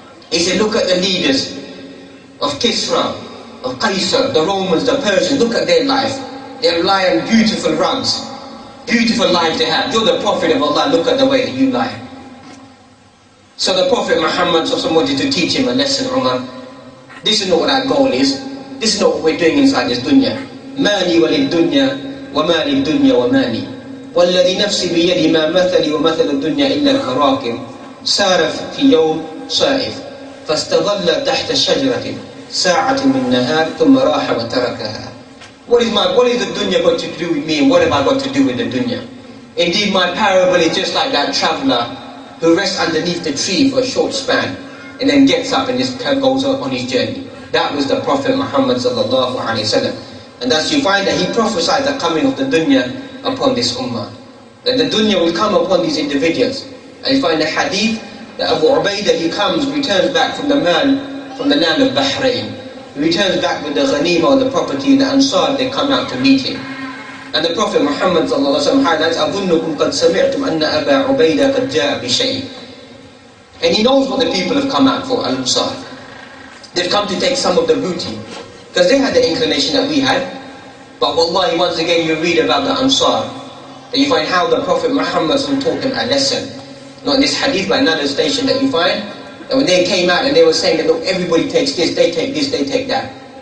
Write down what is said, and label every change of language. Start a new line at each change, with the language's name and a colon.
English: He said, look at the leaders of Kisra, of Qaisar, the Romans, the Persians, look at their life. They lie on beautiful rugs, beautiful life they have. You're the Prophet of Allah, look at the way you lie. So the Prophet Muhammad wanted to teach him a lesson, Umar. This is not what our goal is. This is not what we're doing inside this dunya.
Arabic: مالي وللدنيا وما للدنيا ومالي والذي نفسي بيدي ما مثلي ومثل الدنيا إلا كراكب سار في يوم صائف فاستظل تحت شجرة ساعة من نهار ثم راح وتركها.
English: What is the dunya got to do with me and what have I got to do with the dunya? Indeed my parable is just like that traveler who rests underneath the tree for a short span and then gets up and just goes on his journey. That was the Prophet Muhammad sallallahu alaihi wasallam. And thus you find that he prophesied the coming of the dunya upon this ummah. That the dunya will come upon these individuals. And you find the hadith that Abu Ubaidah, he comes, returns back from the man, from the land of Bahrain. He returns back with the ghanima or the property, the ansar, they come out to meet him. And the Prophet Muhammad highlights,
Arabic: أَظُنُّكُمْ قَدْ سَمِعْتُمْ أَنَّ أَبَا عُبَيْدَ قَدْ جَاءَ بِشَيْءٍ.
English: And he knows what the people have come out for, al-ansar. They've come to take some of the booty. Because they had the inclination that we had. But wallahi, once again, you read about the Ansar, and you find how the Prophet Muhammad taught them a lesson. Not in this hadith, but another station that you find, that when they came out and they were saying that, look, everybody takes this, they take this, they take that.